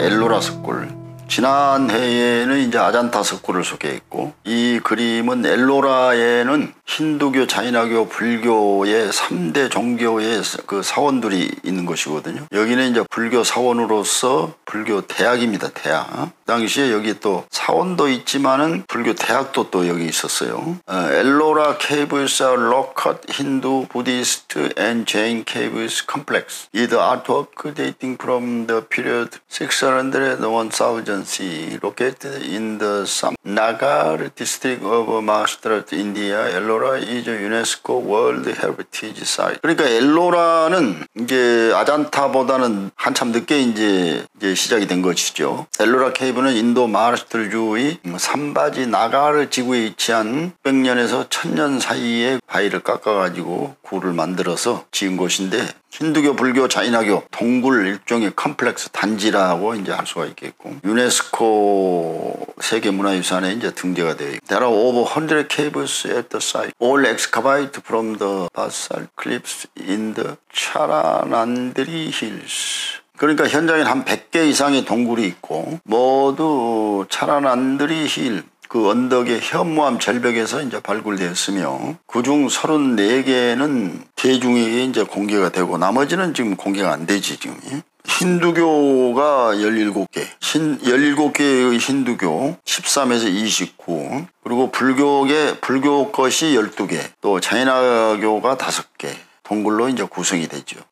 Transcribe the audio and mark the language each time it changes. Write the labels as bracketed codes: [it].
[ko] 엘로라 석굴. 지난해에는 이제 아잔타 석굴을 소개했고, 이 그림은 엘로라에는 힌두교, 자이나교, 불교의 3대 종교의 그 사원들이 있는 것이거든요. 여기는 이제 불교 사원으로서 불교 대학입니다. 대학. 당시에 여기 또 사원도 있지만은 불교 대학도 또 여기 있었어요. 엘로라 케이브스 [en] are Lockhart Hindu Buddhist and Jain Caves Complex. It artwork dating from the period 600-1000 CE. Located in the Nagar district of Maharashtra, India. Elora is a UNESCO World Heritage Site. [ko] 그러니까 엘로라는 이제 아잔타보다는 한참 늦게 이제 시작이 된 것이죠. 엘로라 케이브는 인도 마하라시트라주의 삼바지 나가르 지구에 위치한 600년에서 1000년 사이에 바위를 깎아가지고 굴을 만들어서 지은 곳인데, 힌두교, 불교, 자이나교 동굴 일종의 컴플렉스 단지라고 이제 할 수가 있겠고, 유네스코 세계문화유산에 이제 등재가 되어 있고, [en] There are over 100 caves at the site. All excavated from the basalt cliffs in the Charanandri Hills. [ko] 그러니까 현장에 한 100개 이상의 동굴이 있고, 모두 차라난드리 힐, 그 언덕의 현무암 절벽에서 이제 발굴되었으며, 그중 34개는 대중에게 이제 공개가 되고, 나머지는 지금 공개가 안 되지, 지금. 힌두교가 17개, 17개의 힌두교, 13에서 29, 그리고 불교계, 불교 것이 12개, 또 자이나교가 5개, 동굴로 이제 구성이 되죠.